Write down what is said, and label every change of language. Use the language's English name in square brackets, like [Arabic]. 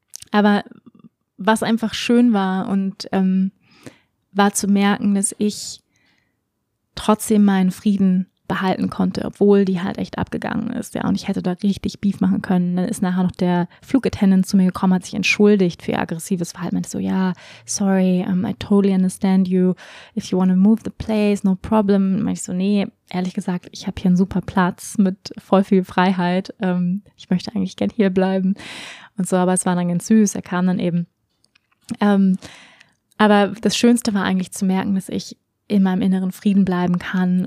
[German] Aber was einfach schön war und war zu merken, dass ich trotzdem meinen Frieden behalten konnte, obwohl die halt echt abgegangen ist. Ja, und ich hätte da richtig Beef machen können. Dann ist nachher noch der Flugattendant zu mir gekommen, hat sich entschuldigt für ihr aggressives Verhalten. Meinte so, ja, [English] sorry, I totally understand you. If you want to move the place, no problem. [German] Meinte ich so, nee, ehrlich gesagt, ich habe hier einen super Platz mit voll viel Freiheit. Ich möchte eigentlich gern hier bleiben. Und so, aber es war dann ganz süß. Er kam dann eben. Aber das Schönste war eigentlich zu merken, dass ich in meinem inneren Frieden bleiben kann.